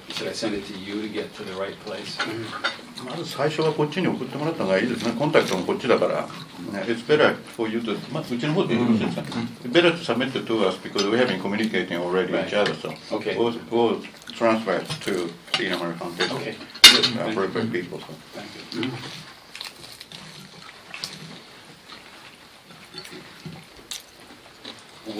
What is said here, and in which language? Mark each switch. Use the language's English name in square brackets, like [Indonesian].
[English] Should I send it to you to get to the right place? [Japanese] まず最初はこっちに送ってもらった方がいいですね。コンタクトもこっちだから。 [English] It's better for you to [Japanese] まずうちの方で言うんですか。 [English] Mm-hmm. Better to submit to us because we have been communicating already with each other. So okay. We'll transfer it to the Inamori Foundation. Okay. Good. Mm-hmm. For people. So. Thank you. Mm-hmm.